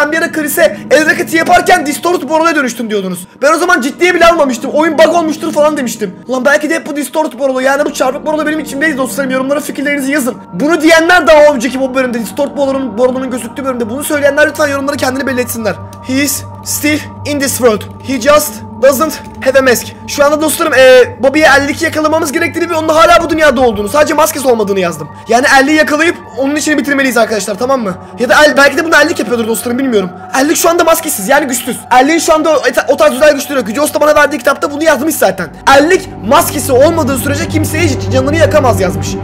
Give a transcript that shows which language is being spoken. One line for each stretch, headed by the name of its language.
Turkish: Sen bir ara Chris'e el hareketi yaparken distort board ile dönüştün diyordunuz. Ben o zaman ciddiye bile almamıştım. Oyun bug olmuştur falan demiştim. Lan belki de hep bu distort board, yani bu çarpık board benim içimdeydi dostlarım. Yorumlara fikirlerinizi yazın. Bunu diyenler daha önceki bu bölümde distort Boron'un gözüktüğü bölümde bunu söyleyenler lütfen yorumları kendini belli etsinler.
English: He is still in this world. He just doesn't have a mask.
Turkish: Şu anda dostlarım Bobby'ye 52 yakalamamız gerektiğini ve onun hala bu dünyada olduğunu, sadece maskesi olmadığını yazdım. Yani 50'yi yakalayıp onun içini bitirmeliyiz arkadaşlar, tamam mı? Ya da belki de bunu 50 yapıyordur dostlarım, bilmiyorum. 50 şu anda maskesiz, yani güçsüz. 50'nin şu anda o tarz güzel güçleri yok. Gücü bana verdiği kitapta bunu yazmış zaten. 50 maskesi olmadığı sürece kimseye canını yakamaz yazmış.